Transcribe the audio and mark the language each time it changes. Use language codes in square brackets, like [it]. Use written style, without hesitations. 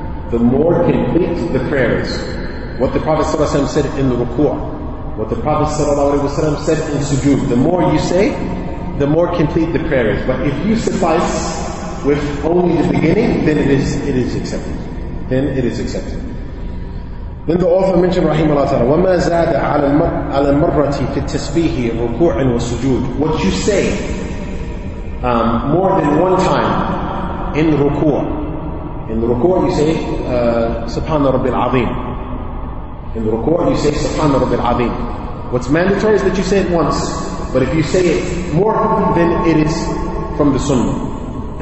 [en] The more complete the prayers. What the Prophet sallallahu alaihi wasallam said in the ruku', what the Prophet sallallahu alaihi wasallam said in sujood. The more you say, the more complete the prayer is. But if you suffice with only the beginning, then it is accepted. Then it is accepted. Then the author mentioned, rahimahullah ta'ala, [ar] وَمَا زَادَ عَلَى الْمَرَّةِ فِي التَّسْبِيحِ الرُّكُوعٍ وَالسُّجُودِ. [en] What you say more than one time in ruku'. In ruku' you say, [ar] سُبْحَانَ رَبِّ الْعَظِيمِ. [en] In ruku' you say, [ar] سُبْحَانَ رَبِّ الْعَظِيمِ. [en] What's mandatory is that you say it once. But if you say it more, then it is from the sunnah.